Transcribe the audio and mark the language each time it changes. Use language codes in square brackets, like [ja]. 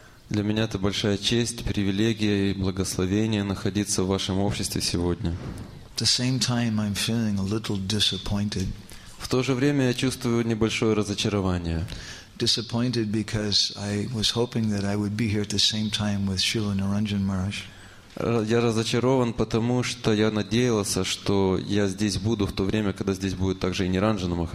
[ru] Для меня это большая честь, привилегия и благословение находиться в вашем обществе сегодня. [en] At the same time, I'm feeling a little disappointed. [ru] В то же время я чувствую небольшое разочарование. [en] Disappointed because I was hoping that I would be here at the same time with Srila Niranjan Maharaj. [ru] Я разочарован, потому что я надеялся, что я здесь буду в то время, когда здесь будет также и Ниранджана